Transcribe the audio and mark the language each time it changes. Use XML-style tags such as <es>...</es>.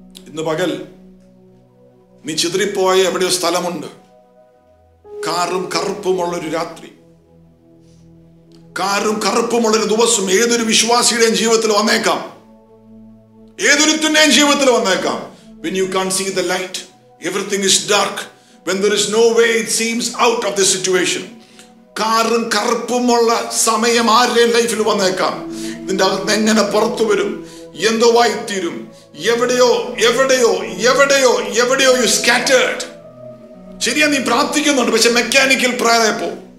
<ml>ഇന്ന് പകൽ നീ ചിതറിപ്പോയ എവിടെയോ സ്ഥലമുണ്ട്. കാറും കറുപ്പുമുള്ള ഒരു ദിവസം ഏതൊരു വിശ്വാസിയുടെയും ജീവിതത്തിൽ വന്നേക്കാം, ഏതൊരുത്തിന്റെയും ജീവിതത്തിൽ വന്നേക്കാം.</ml> <en>When you can't see the light, everything is dark. When there is no way, it seems out of the situation.</en> <ml>കാറും കറുപ്പുമുള്ള സമയം ആരുടെ ലൈഫിൽ വന്നേക്കാം. ഇതിന്റെ എങ്ങനെ പുറത്തു വരും, എന്തോ ആയി തീരും. എവിടെയോ</ml> <en>you scattered.</en> <ml>ശരിയാ, നീ പ്രാർത്ഥിക്കുന്നുണ്ട്, പക്ഷെ മെക്കാനിക്കൽ പ്രയർ ആയപ്പോ.</ml>